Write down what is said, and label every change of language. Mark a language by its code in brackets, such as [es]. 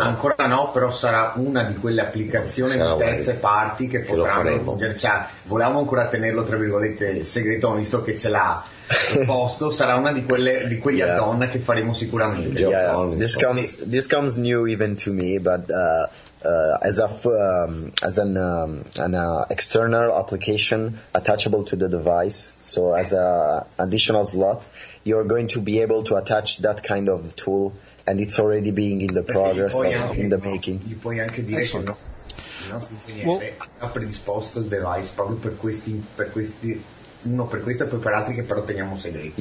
[it] Ancora no, però sarà una di quelle applicazioni di terze parti che potranno. Volevamo ancora tenerlo tra virgolette segreto, visto che ce l'ha il posto, sarà una di quelle di quegli add-on che faremo sicuramente. [en] Geofono, yeah, this comes new even to me, but external application attachable to the device, so as a additional slot, you're going to be able to attach that kind of tool, and it's already being in the progress of [it] anche, [en] in the making. [it] Gli puoi anche dire che non ha predisposto il device proprio per questi uno per questo e poi per altri che però teniamo segreti.